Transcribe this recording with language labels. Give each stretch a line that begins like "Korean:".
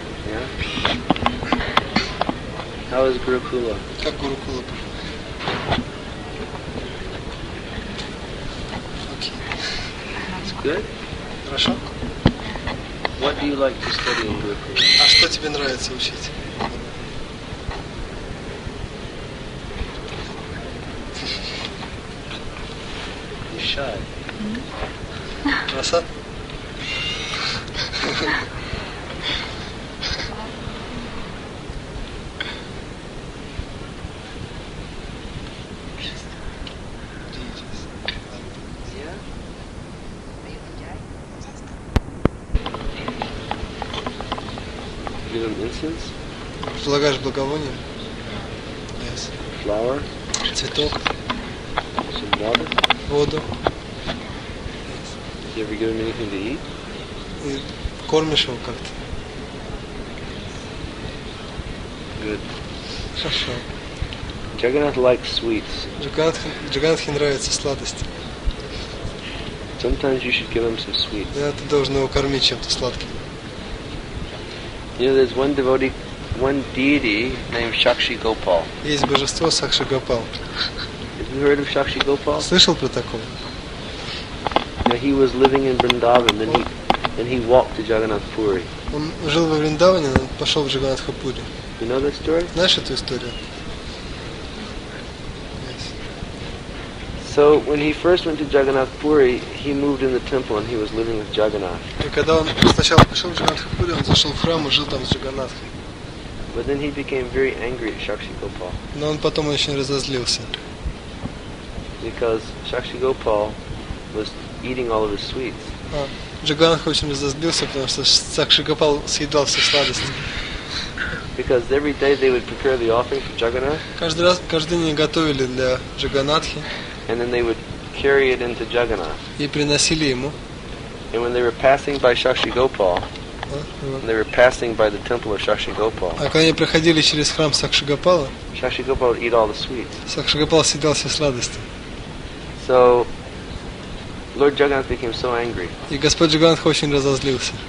English: Yeah. How is Gurukula?
Russian: Как Gurukula?
English: It's good.
Russian: Хорошо.
English: What do you like to study in Gurukula?
Russian: А что тебе нравится учить?
English: You're shy. What's up?
Russian: Предлагаешь благовоние?
English: Yes. Flower.
Russian: Цветок.
English: Some water.
Russian: Воду.
English: Yes. You ever give him anything to eat?
Russian: И кормишь его как-то.
English: Good.
Russian: Хорошо.
English: Jagannath likes sweets.
Russian: Джагнатхе нравятся сладости.
English: Sometimes you should give him some sweets.
Russian: Да, ты должен его кормить чем-то сладким.
English: You know, there's one devotee, one deity named Shakshi Gopal.
Russian: Есть божество Сакши Гопал.
English: Have you heard of Shakshi Gopal?
Russian: Слышал про такого?
English: Yeah, he was living in Vrindavan, then he walked to Jagannath Puri.
Russian: Он жил во Вриндаване, но пошел в Джаганнатх Пури.
English: You know that story?
Russian: Знаешь эту историю?
English: Yes. So when he first went to Jagannath Puri, he moved in the temple and he was living with Jagannath.
Russian: И когда он сначала пошел в Джаганнатх Пури, он зашел в храм и жил там с Джаганнатхом.
English: But then he became very angry at Shakshi Gopal.
Russian: Но он потом очень разозлился.
English: Because Shakshi Gopal was eating all of his sweets.
Russian: Джаганнатх очень разозлился, потому что Сакши Гопал съедал все сладости.
English: Because every day they would prepare the offering for Jagannath.
Russian: Каждый день готовили для Джаганнатхи.
English: And then they would carry it into Jagannath.
Russian: И приносили ему.
English: And when they were passing by Shakshi Gopal. And they were passing by the temple of Shakshi Gopal.
Russian: А когда они проходили через храм Сакши Гопала,
English: Shakshi Gopal would eat all the sweets.
Russian: Сакши Гопал съедал все сладости.
English: So Lord Jagannath became so angry.
Russian: И Господь Джаганнатх очень разозлился.